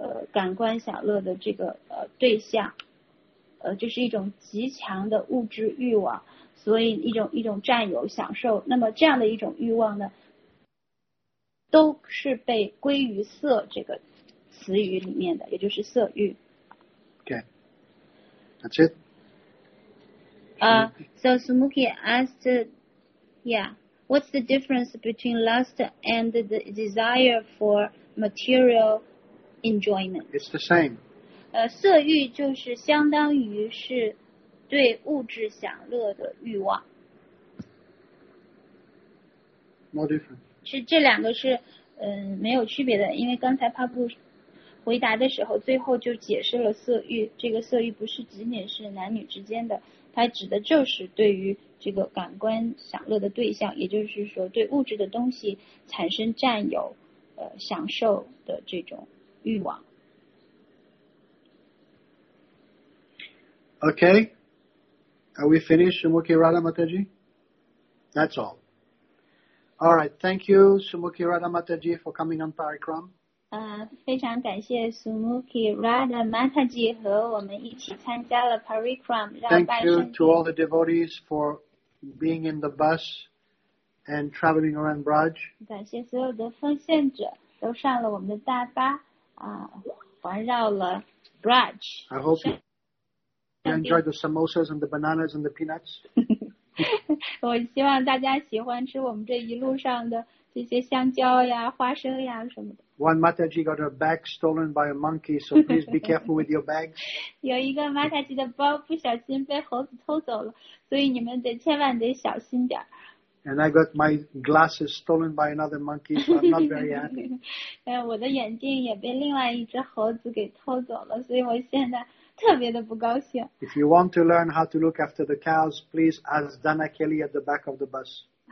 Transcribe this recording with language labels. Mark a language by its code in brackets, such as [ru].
[zh] 感官享乐的这个对象，就是一种极强的物质欲望，所以一种占有享受，那么这样的一种欲望呢，都是被归于色这个词语里面的，也就是色欲。 [en] Okay, that's it. So Sumuki asked, yeah, what's the difference between lust and the desire for material? Enjoyment. It's the same. [zh] 色欲就是相当于是对物质享乐的欲望。 [en] No difference. [zh] 是这两个是没有区别的，因为刚才帕布回答的时候最后就解释了色欲，这个色欲不是仅仅是男女之间的，它指的就是对于这个感官享乐的对象，也就是说对物质的东西产生占有享受的这种欲望。 [en] OK, are we finished, Shumukhi Radha Mataji? That's all. All right, thank you, Shumukhi Radha Mataji, for coming on Parikram. [zh] 非常感谢 Shumukhi Radha Mataji 和我们一起参加了 Parikram. [en] Thank you to all the devotees for being in the bus and traveling around Braj. [zh] 感谢所有的奉献者都上了我们的大巴环绕了 Braj. [en] I hope you enjoy the samosas and the bananas and the peanuts. [zh] 我希望大家喜欢吃我们这一路上的这些香蕉呀花生呀什么的。 [en] One Mataji got her bag stolen by a monkey, so please be careful with your bags. [zh] 有一个 Mataji 的包不小心被猴子偷走了，所以你们得千万得小心点。 [en] And I got my glasses stolen by another monkey, so I'm not very happy. [zh] 我的眼镜也被另外一只猴子给偷走了，所以我现在特别的不高兴。 [en] If you want to learn how to look after the cows, please ask Dana Kelly at the back of the bus.